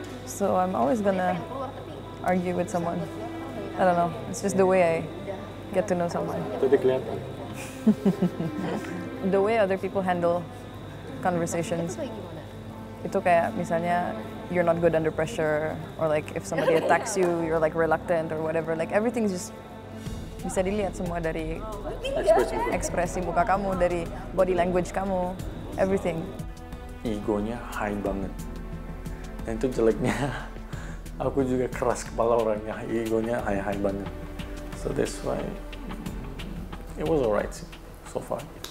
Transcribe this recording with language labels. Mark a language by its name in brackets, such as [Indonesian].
[English] So I'm always gonna argue with someone. I don't know. It's just the way I get to know someone. [Indonesian] Jadi kelihatan. [English] The way other people handle conversations. [Indonesian] Itu kayak misalnya [English] you're not good under pressure, or like if somebody attacks you, you're like reluctant or whatever. Like everything's just [Indonesian] bisa dilihat semua dari ekspresi muka kamu, dari body language kamu, everything. Egonya high banget. Dan itu jeleknya, aku juga keras kepala orangnya, egonya high banget. [English] So that's why it was alright so far.